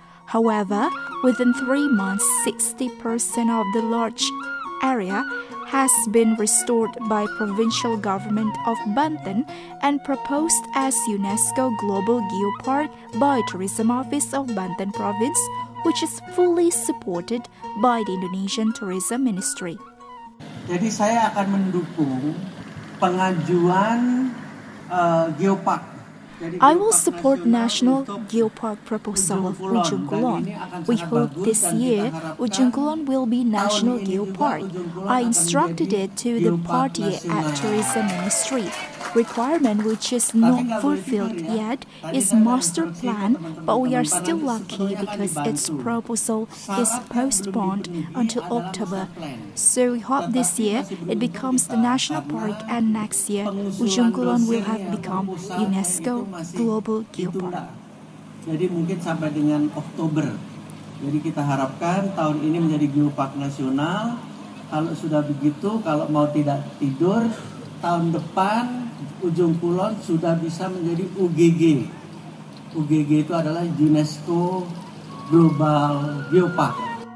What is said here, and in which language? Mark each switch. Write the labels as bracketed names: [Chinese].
[English] However, within 3 months, 60% of the large area has been restored by provincial government of Banten and proposed as UNESCO Global Geopark by Tourism Office of Banten Province, which is fully supported by the Indonesian Tourism Ministry. [Indonesian] Jadi saya akan mendukung pengajuan geopark. [English] I will support National Geopark proposal of Ujung Kulon. We hope this year Ujung Kulon will be National Geopark. I instructed it to the party at Tourism Ministry. Requirement which is not fulfilled yet is master plan, but we are still lucky because its proposal is postponed until October. So we hope this year it becomes the national park and next year Ujung Kulon will have become UNESCO Global Geopark. [Indonesian] jadi mungkin sampai dengan Oktober. Jadi kita harapkan tahun ini menjadi geopark nasional. Kalau sudah begitu, kalau mau tidak tidur, tahun depan ujung kulon sudah bisa menjadi UGG. UGG itu adalah UNESCO Global Geopark.